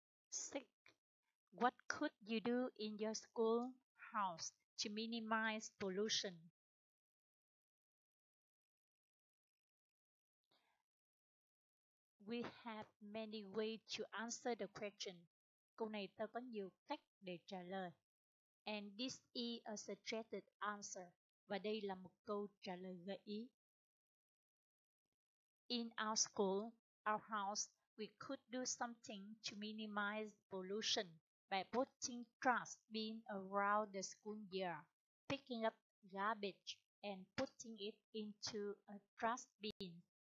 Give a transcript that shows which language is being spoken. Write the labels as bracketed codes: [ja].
[en] Six. What could you do in your school house to minimize pollution? We have many ways to answer the question. [vi] Câu này ta có nhiều cách để trả lời. [en] And this is a suggested answer. [vi] Và đây là một câu trả lời gợi ý. [en] In our school, our house, we could do something to minimize pollution by putting trash bin around the school yard, picking up garbage and putting it into a trash bin.